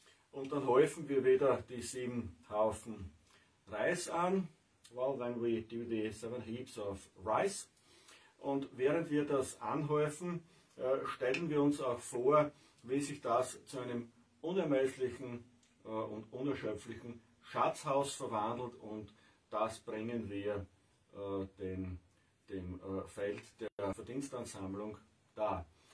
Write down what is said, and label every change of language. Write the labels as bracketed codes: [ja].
[de] Und dann häufen wir wieder die 7 Haufen Reis an. [en] Well, then we do the 7 heaps of rice. [de] Und während wir das anhäufen, stellen wir uns auch vor, wie sich das zu einem unermesslichen und unerschöpflichen Schatzhaus verwandelt, und das bringen wir dem Feld der Verdienstansammlung dar.